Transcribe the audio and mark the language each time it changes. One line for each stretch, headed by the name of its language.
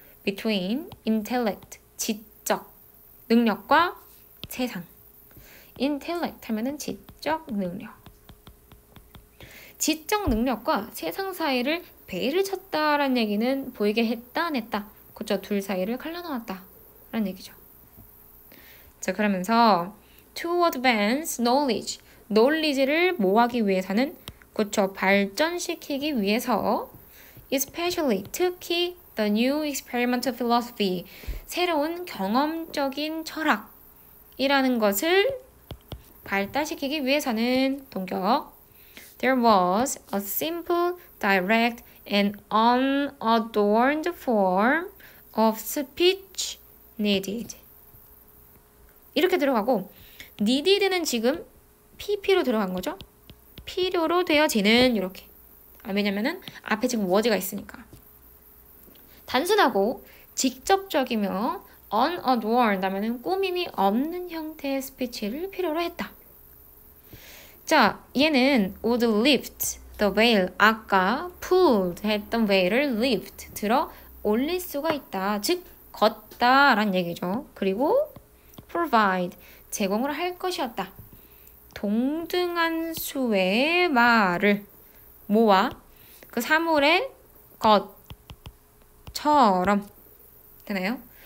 English: between intellect
Korean: 지적 능력과 세상. intellect 하면은 지적 능력. 지적 능력과 세상 사이를 베일을 쳤다라는 얘기는 보이게 했다 안 했다. 그쵸? 둘 사이를 갈라놓았다라는 얘기죠. 자, 그러면서
English: to advance knowledge.
Korean: knowledge를 모아기 위해서는 그쵸? 발전시키기 위해서 especially 특히
English: The New Experimental Philosophy.
Korean: 새로운 경험적인 철학이라는 것을 발달시키기 위해서는 동격어.
English: There was a simple, direct, and unadorned form of speech needed.
Korean: 이렇게 들어가고 needed는 지금 PP로 들어간 거죠. 필요로 되어지는 이렇게. 아, 왜냐면은 앞에 지금 was가 있으니까. 단순하고 직접적이며 unadorned 하면은 꾸밈이 없는 형태의 스피치를 필요로 했다.
English: 자,
Korean: 얘는
English: would lift the veil.
Korean: 아까 pulled 했던 veil을 lift, 들어 올릴 수가 있다. 즉, 걷다 라는 얘기죠. 그리고 provide, 제공을 할 것이었다. 동등한 수의 말을 모아 그 사물의 것처럼 되나요?